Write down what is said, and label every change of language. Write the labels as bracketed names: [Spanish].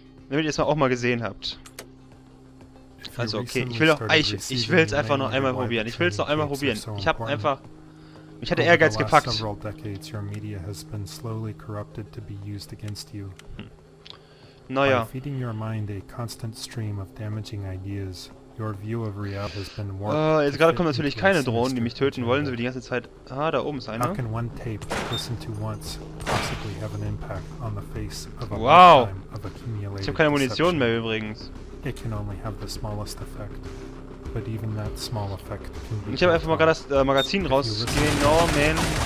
[German] Damit ihr es auch mal gesehen habt. Also okay, ich will es einfach noch einmal probieren. Ich will es noch einmal probieren. Ich habe einfach... Ich hatte Ehrgeiz gepackt. Naja. Jetzt gerade kommen natürlich keine Drohnen, die mich töten wollen, so wie die ganze Zeit... Ah, da oben ist einer. [English] How can one tape listened to once possibly have an impact on the face of a lifetime of accumulated... [German] Ich habe keine Munition mehr übrigens. [English] It can only have the smallest effect, but even that small effect can be... [German] Ich habe einfach mal gerade das Magazin rausgenommen.